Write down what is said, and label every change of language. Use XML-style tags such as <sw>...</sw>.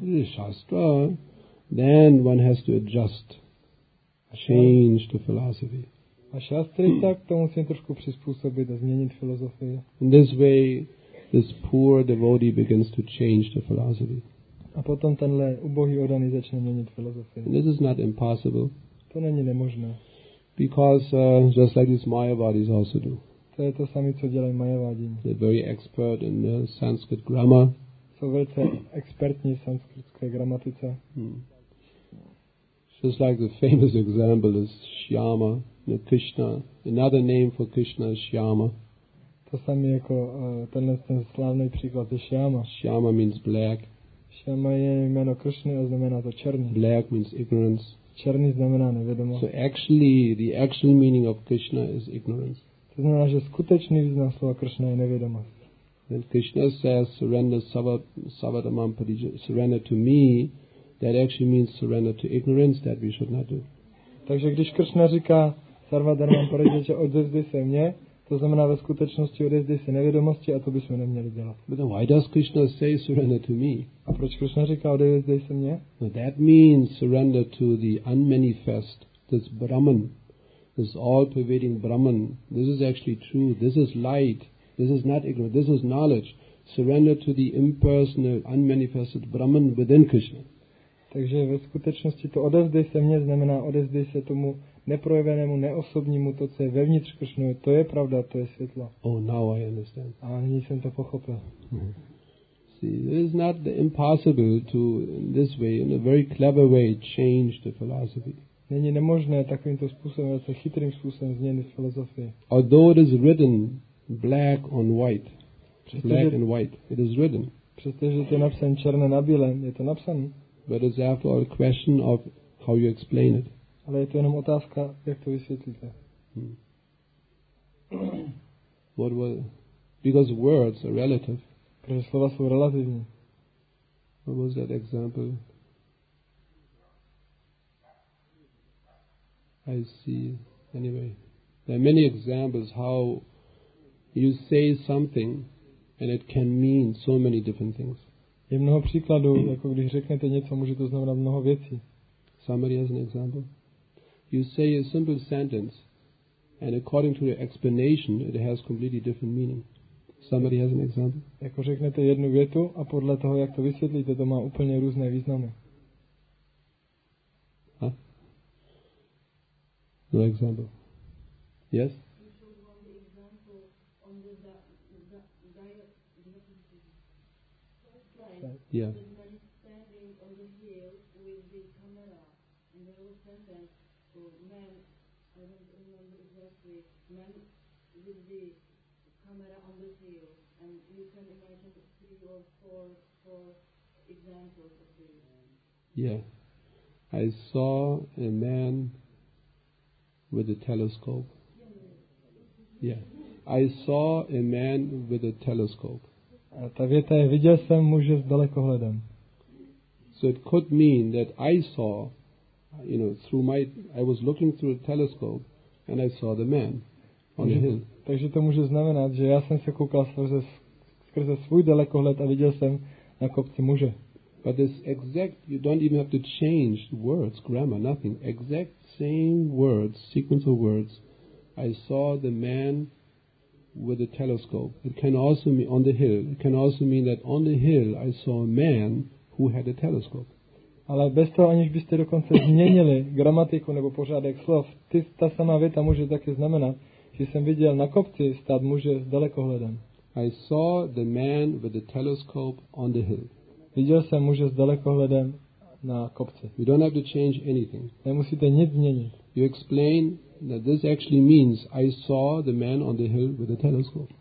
<en>The Shastra, then one has to adjust, change the philosophy.</en> <cs>A Shastri tak to musím trošku přizpůsobit a změnit filozofii.</cs> <en>In this way, this poor devotee begins to change the philosophy.</en> <cs>A potom tenhle ubohý oddaný začne měnit filozofii.</cs> <en>And this is not impossible.</en> <cs>To není nemožné.</cs> <en>Because just like these Mayavadis also do.</en> <cs>To je to samé, co dělají Mayavadi.</cs> <en>They're very expert in the Sanskrit grammar.</en> <cs>Jsou velice expertní v sanskritské gramatice.</cs> <en>Just like the famous example is Shyama, the Krishna. Another name for Krishna is Shyama.</en> <cs>To samé jako tenhle ten slavný příklad je Shyama.</cs> <en>Shyama means black.</en> <cs>Shyama je jméno Krishny a znamená to černý.</cs> <en>Black means ignorance.</en> <cs>Černý znamená nevědomo.</cs> <en>So actually, the actual meaning of Krishna is ignorance.</en> <cs>To znamená, že skutečný význam slova Krishna je nevědomost.</cs> <en>When Krishna says surrender savatamam parijaya, surrender to me, that actually means surrender to ignorance that we should not do.</en> <cs>Takže když Krishna říká savatamam parijaya, odevzdej se mně, to znamená ve skutečnosti odevzdej se nevědomosti a to bychom neměli dělat.</cs> <en>But then why does Krishna say surrender to me?</en> <cs>A proč Krishna říká odevzdej se mně?</cs> <en>Well, that means surrender to the unmanifest, this Brahman. This all-pervading Brahman, this is actually true, this is light, this is not ignorance, this is knowledge. Surrender to the impersonal, unmanifested Brahman within Krishna.</en> <cs>Takže ve skutečnosti to odevzdej se mně znamená odevzdej se tomu neprojevenému, neosobnímu, to, co je vevnitř Krishna, to je pravda, to je světlo.</cs> <en>Oh, now I understand.</en> <cs>A nyní jsem to pochopil.</cs> <en>See, it is not impossible to, in this way, in a very clever way, change the philosophy.</en> <cs>Není nemožné takovýmto způsobem, ale chytrým způsobem změnit filozofii.</cs> <en>Although it is written black on white. Black and white. It is written.</en> <cs>Přestože to je napsané černé na bílém, je to napsané.</cs> <en>But it's after all a question of how you explain it.</en> <cs>Ale je to jenom otázka, jak to vysvětlíte.</cs> <en>What was, because words are relative.</en> <cs>Protože slova jsou relativní.</cs> <en>What was that example? I see. Anyway, there are many examples how you say something and it can mean so many different things.</en> <cs>Je mnoho příkladů, jako když řeknete něco, může to znamenat mnoho věcí.</cs> <en>Somebody has an example. You say a simple sentence and according to your explanation it has completely different meaning. Somebody has an example.</en> <cs>Jako řeknete jednu větu a podle toho, jak to vysvětlíte, to má úplně různé významy.</cs> <en>No example. Yes? Yeah. I saw a man with a telescope. Yeah. I saw a man with a telescope.</en> <cs>A ta věta je, viděl jsem muže s dalekohledem.</cs> <en>So it could mean that I saw, you know, through my, I was looking through a telescope and I saw the man on the hill.</en> <cs>Takže to může znamenat, že já jsem se koukal skrze svůj dalekohled a viděl jsem na kopci muže.</cs> <en>But this exact, you don't even have to change words, grammar, nothing. Exact same words, sequence of words. I saw the man with a telescope. It can also mean on the hill. It can also mean that on the hill I saw a man who had a telescope.</en> <cs>Ale bez toho, aniž byste dokonce změnili gramatiku nebo pořádek slov, ta sama věta může také znamenat, že jsem viděl na kopci stát muže s dalekohledem.</cs> <en>I saw the man with the telescope on the hill.</en> <cs>Viděl jsem muže s dalekohledem na kopci.</cs> <en>You don't have to change anything.</en> <cs>Nemusíte nic změnit.</cs> <en>You explain that this actually means I saw the man on the hill with the telescope.</en>